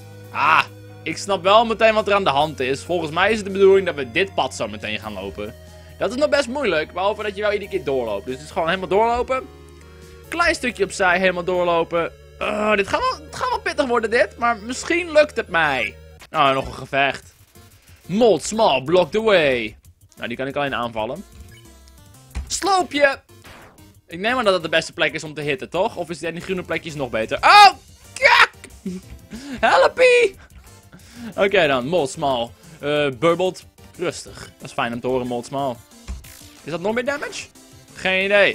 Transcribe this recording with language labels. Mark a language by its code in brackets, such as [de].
[nl] Ah! Ik snap wel meteen wat er aan de hand is. Volgens mij is het de bedoeling dat we dit pad zo meteen gaan lopen. Dat is nog best moeilijk, behalve dat je wel iedere keer doorloopt. Dus het is gewoon helemaal doorlopen. Klein stukje opzij, helemaal doorlopen. Dit gaat wel pittig worden dit, maar misschien lukt het mij. Oh, nog een gevecht. [en] Mold small, block the way. [nl] Nou, die kan ik alleen aanvallen. Sloopje! Ik neem aan dat dat de beste plek is om te hitten, toch? Of is die groene plekjes nog beter? Oh, kak! Helpie! Oké okay dan, mold small. Burbled. Rustig. Dat is fijn om te horen, mold small. Is dat nog meer damage? Geen idee.